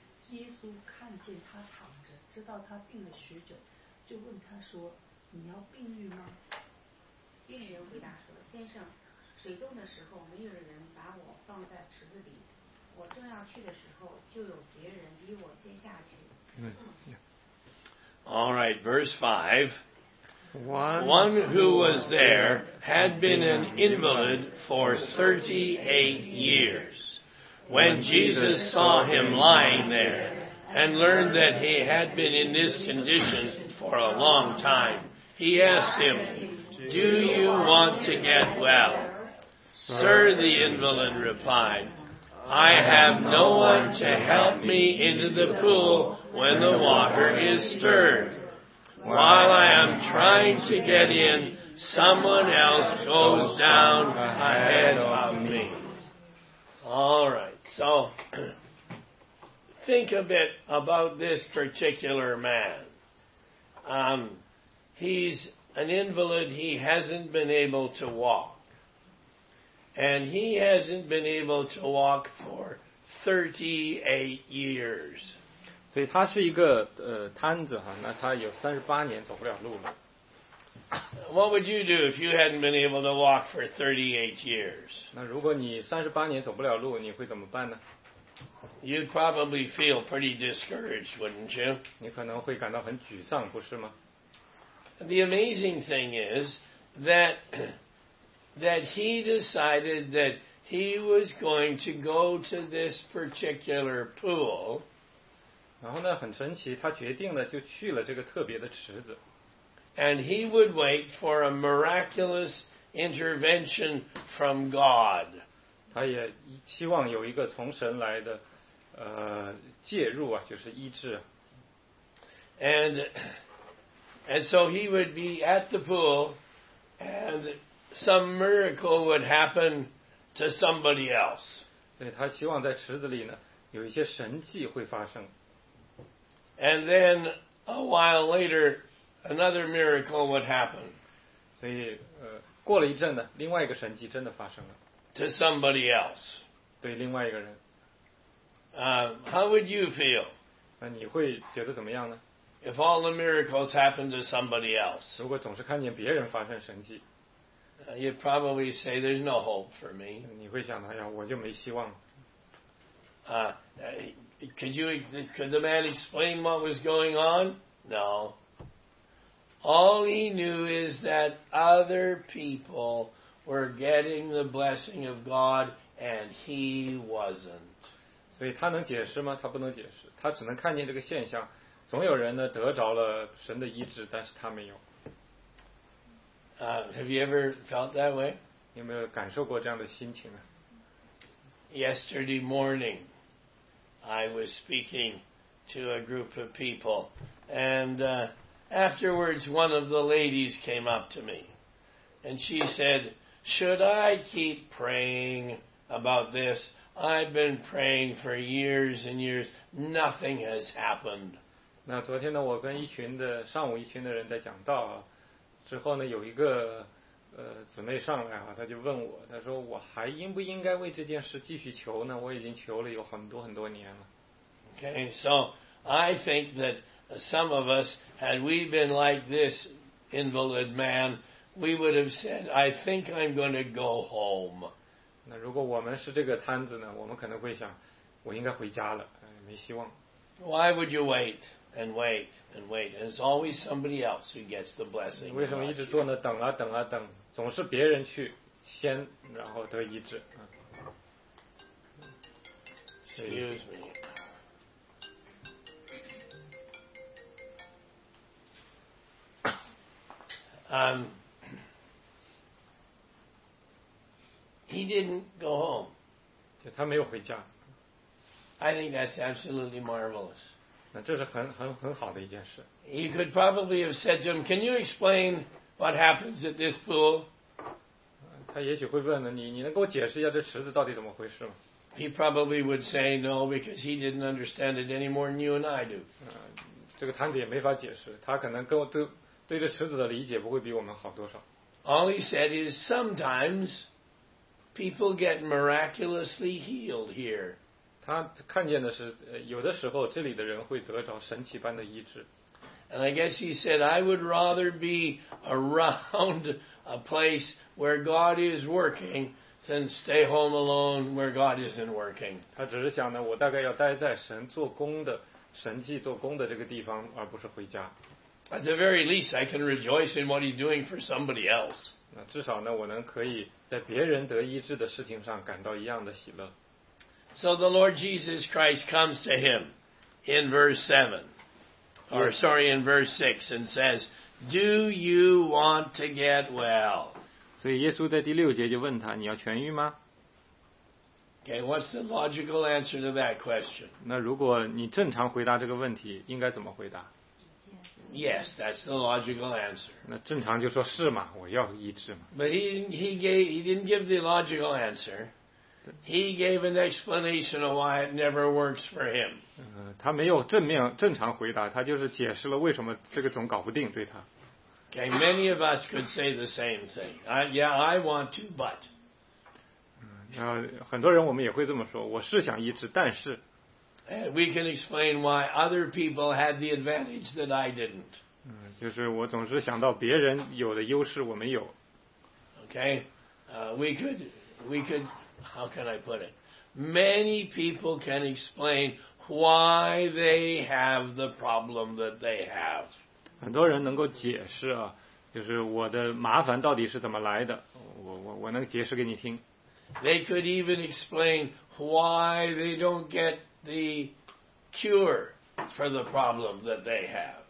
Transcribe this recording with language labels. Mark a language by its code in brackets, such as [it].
[zh] 耶稣看见他躺着，知道他病了许久，就问他说，你要病愈吗？病人回答说，先生，水冻的时候没有人把我放在池子里，我正要去的时候就有别人比我先下去。 [en] All right, verse 5. One who was there had been an invalid for 38 years. When Jesus saw him lying there and learned that he had been in this condition for a long time, he asked him, "Do you want to get well?" "Sir," the invalid replied, "I have no one to help me into the pool when the water is stirred. While I am trying to get in, someone else goes down ahead of me." All right. So, think a bit about this particular man. He's an invalid. He hasn't been able to walk. And he hasn't been able to walk for 38 years. [zh] 所以他是一个瘫子哈，那他有38年走不了路了。 [en] What would you do if you hadn't been able to walk for 38 years? [zh] 那如果你38年走不了路，你会怎么办呢？ [en] You'd probably feel pretty discouraged, wouldn't you? [zh] 你可能会感到很沮丧，不是吗？ [en] The amazing thing is that he decided that he was going to go to this particular pool. [zh] 然后呢，很神奇，他决定了就去了这个特别的池子。 [en] And he would wait for a miraculous intervention from God. [zh] 他也希望有一个从神来的介入啊，就是医治。 [en] And so he would be at the pool, and some miracle would happen to somebody else. [zh] 所以他希望在池子里呢，有一些神迹会发生。 [en] And then a while later. Another miracle would happen. [zh] 所以过了一阵呢，另外一个神迹真的发生了。 [en] To somebody else. [zh] 对另外一个人。 [en] How would you feel? [zh] 那你会觉得怎么样呢？ [en] If all the miracles happened to somebody else. [zh] 如果总是看见别人发生神迹。 [en] You'd probably say there's no hope for me. [zh] 你会想到呀，我就没希望。 [en] Could the man explain what was going on? No. All he knew is that other people were getting the blessing of God and he wasn't. [zh] 所以他能解释吗？他不能解释。他只能看见这个现象，总有人呢得着了神的医治，但是他没有。 [en] Have you ever felt that way? [zh] 有没有感受过这样的心情呢？ [en] Yesterday morning, I was speaking to a group of people and Afterwards, one of the ladies came up to me, and she said, "Should I keep praying about this? I've been praying for years and years. Nothing has happened." [zh] 那昨天呢，我跟一群的上午一群的人在讲道啊，之后呢，有一个姊妹上来啊，她就问我，她说我还应不应该为这件事继续求呢？我已经求了有很多很多年了。 [en] Okay, so I think that. Some of us, had we been like this invalid man, we would have said, "I think I'm going to go home." [zh] 那如果我们是这个摊子呢，我们可能会想，我应该回家了，没希望。 [en] Why would you wait and wait and wait? And it's always somebody else who gets the blessing. [zh] 为什么一直坐那等啊等啊等？总是别人去先，然后得医治。 [en] Excuse me. He didn't go home. [zh] 就他没有回家。 [en] I think that's absolutely marvelous. [zh] 那这是很好的一件事。 [en] You could probably have said to him, "Can you explain what happens at this pool?" [zh] 他也许会问呢，你能给我解释一下这池子到底怎么回事吗？ [en] He probably would say no because he didn't understand it any more than you and I do. [zh] 这个摊子也没法解释，他可能跟我都。对这池子的理解不会比我们好多少。 [en] All he said is sometimes people get miraculously healed here. [zh] 他看见的是，有的时候这里的人会得着神奇般的医治。 [en] And I guess he said, "I would rather be around a place where God is working than stay home alone where God isn't working." [zh] 他只是想呢，我大概要待在神做工的神迹做工的这个地方，而不是回家。 [en] At the very least, I can rejoice in what he's doing for somebody else. [zh] 那至少呢，我能可以在别人得医治的事情上感到一样的喜乐。 [en] So the Lord Jesus Christ comes to him in verse 7, or sorry, in verse 6, and says, "Do you want to get well?" [zh] 所以耶稣在第六节就问他，你要痊愈吗？ [en] Okay, what's the logical answer to that question? [zh] 那如果你正常回答这个问题，应该怎么回答？ [en] Yes, that's the logical answer. [zh] 那正常就说是嘛，我要医治嘛。 [en] But he didn't give the logical answer. He gave an explanation of why it never works for him. [zh] 他没有正面正常回答，他就是解释了为什么这个总搞不定对他。 [en] Okay, many of us could say the same thing. Yeah, I want to, but. [zh] 很多人我们也会这么说，我是想一直，但是。 [en] We can explain why other people had the advantage that I didn't. [zh] 就是我总是想到别人有的优势我没有。 [en] Okay, we could, how can I put it? Many people can explain why they have the problem that they have. [zh] 很多人能够解释啊，就是我的麻烦到底是怎么来的，我能解释给你听。 [en] They could even explain why they don't get the cure for the problem that they have.